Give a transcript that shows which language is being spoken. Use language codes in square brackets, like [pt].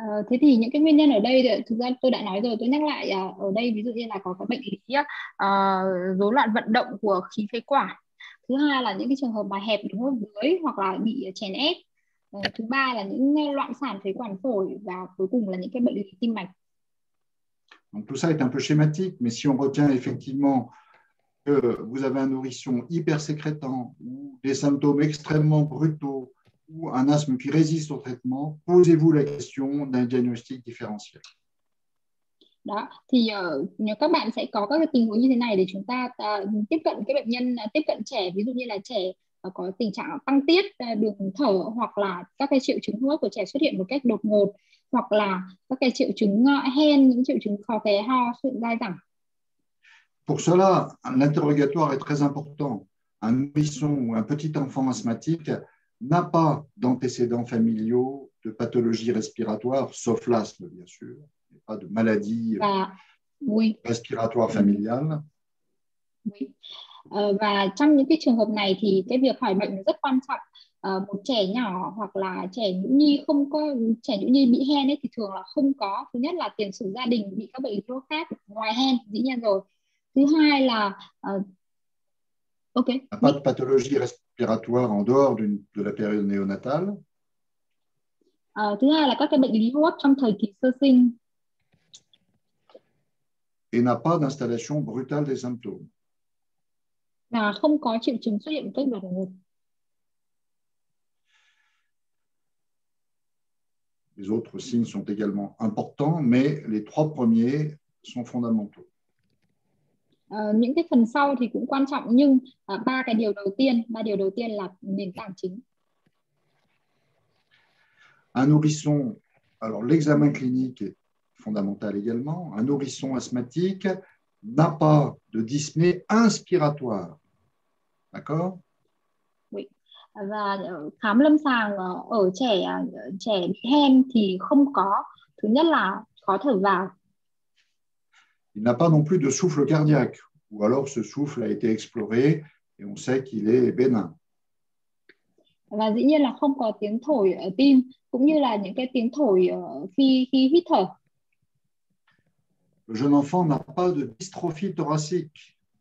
[vi] Thế thì những cái nguyên nhân ở đây, thực ra tôi đã nói rồi, tôi nhắc lại ở đây ví dụ như là có cái bệnh lý rối loạn vận động của khí phế quản. Thứ hai là những cái trường hợp mà hẹp đường hô hấp dưới hoặc là bị chèn ép. Thứ ba là những loạn sản phế quản phổi và cuối cùng là những cái bệnh lý tim mạch. [fr] Donc tout ça est un peu schématique, mais si on retient effectivement que vous avez un nourrisson hypersécrétant ou des symptômes extrêmement brutaux ou un asthme qui résiste au traitement, posez-vous la question d'un diagnostic différentiel. [vi] Đó, thì các bạn sẽ có các tình huống như thế này để chúng ta tiếp cận cái bệnh nhân, tiếp cận trẻ, ví dụ như là trẻ có tình trạng tăng tiết đường thở hoặc là các cái triệu chứng hô hấp của trẻ xuất hiện một cách đột ngột, hoặc là các cái triệu chứng hen, những triệu chứng khó khè, ho, sự dai dẳng. [fr] Pour cela, l'interrogatoire est très important. Un nourrisson ou un petit enfant asthmatique n'a pas d'antécédents familiaux de pathologies respiratoires, sauf l'asthme, bien sûr, et pas de maladie respiratoire familiale. Oui. [vi] Và trong những cái trường hợp này thì cái việc hỏi bệnh rất quan trọng. Một trẻ nhỏ hoặc là trẻ nhũ nhi không có, trẻ nhũ nhi bị hen ấy thì thường là không có, thứ nhất là tiền sử gia đình bị các bệnh lý khác ngoài hen dĩ nhiên rồi. Thứ hai là ok. [fr] A pas de pathologie respiratoire en dehors de la période néonatale. [vi] Thứ hai là các cái bệnh lý hô hấp trong thời kỳ sơ sinh. [fr] Et n'a pas d'installation brutale des symptômes. [vi] Và không có triệu chứng xuất hiện một cách đột ngột. [fr] Les autres signes sont également importants, mais les trois premiers sont fondamentaux. [vi] Những cái phần sau thì cũng quan trọng, nhưng ba điều đầu tiên là nền tảng chính. [fr] Un nourrisson, alors l'examen clinique est fondamental également. Un nourrisson asthmatique n'a pas de dyspnée inspiratoire. D'accord? Oui. [vi] Và khám lâm sàng ở trẻ bị hen thì không có, thứ nhất là khó thở vào. [fr] Il n'a pas non plus de souffle cardiaque, ou alors ce souffle a été exploré et on sait qu'il est bénin. [vi] Và dĩ nhiên là không có tiếng thổi ở tim, cũng như là những cái tiếng thổi khi hít thở. [fr] Le jeune enfant n'a pas de dystrophie thoracique.